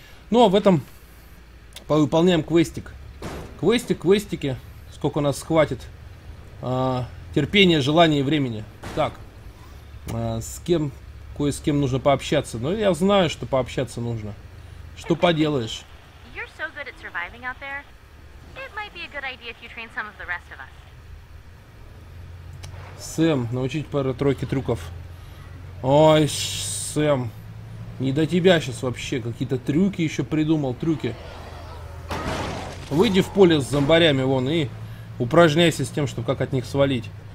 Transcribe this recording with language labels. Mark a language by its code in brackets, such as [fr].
[ru] Ну, а в этом повыполняем квестик. Квестик, квестики. Сколько нас хватит. Терпение, желание и времени. Так, с кем, кое с кем нужно пообщаться. Но я знаю, что пообщаться нужно. Что поделаешь. [en] You're so good at surviving out there. It might be a good idea if you train some of the rest of us. [ru] Сэм, научить пару-тройки трюков. Ой, Сэм, не до тебя сейчас вообще. Какие-то трюки еще придумал, трюки. Выйди в поле с зомбарями вон и упражняйся с тем, чтобы как от них свалить.